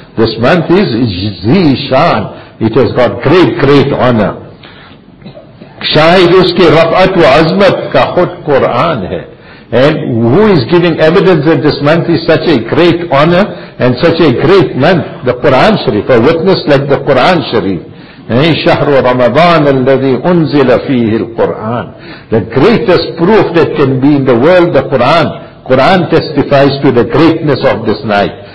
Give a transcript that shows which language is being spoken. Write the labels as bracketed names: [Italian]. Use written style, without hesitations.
[English] This month is Zishan. It has got great, great honor. [Urdu] Shahid uske rafat wa azmat ka khud Quran hai. [English] And who is giving evidence that this month is such a great honor and such a great month? The Quran Sharif, a witness like the Quran Sharif. [Arabic] شهر رمضان الذي أنزل فيه القرآن. [English] The greatest proof that can be in the world, the Quran. Quran testifies to the greatness of this night.